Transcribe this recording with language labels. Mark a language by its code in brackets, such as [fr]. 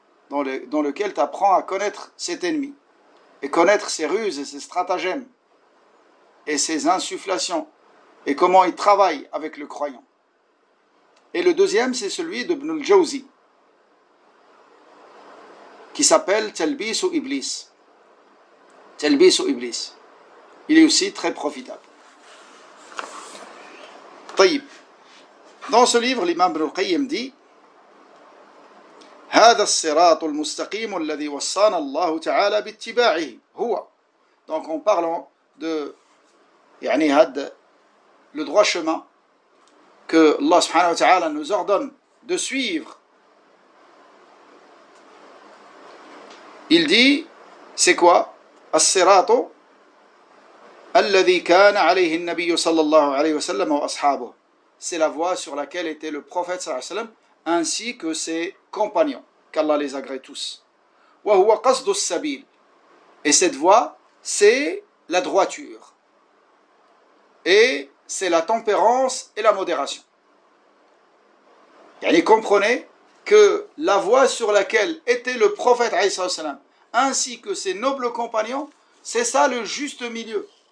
[fr] Dans lequel tu apprends à connaître cet ennemi et connaître ses ruses et ses stratagèmes et ses insufflations et comment il travaille avec le croyant. Et le deuxième, c'est celui d'Ibn al-Jawzi qui s'appelle Talbis ou Iblis. Talbis ou Iblis. Il est aussi très profitable. Taïb. Dans ce livre, l'imam Ibn al-Qayyim dit: [ar] هذا الصراط المستقيم الذي وصانا الله تعالى باتباعه هو. [fr] Donc en parlant de يعني هذا le droit chemin que Allah subhanahu wa ta'ala nous ordonne de suivre. Il dit c'est quoi [ar] الصراط الذي كان عليه النبي صلى الله عليه وسلم واصحابه. [fr] C'est la voie sur laquelle était le prophète sallallahu alayhi wa sallam ainsi que ses compagnons. Qu'Allah les agrée tous. [ar] Wa huwa qasdu as-sabil. [fr] Et cette voie, c'est la droiture. Et c'est la tempérance et la modération. Et comprenez que la voie sur laquelle était le prophète Isa al-Salam, ainsi que ses nobles compagnons, c'est ça le juste milieu.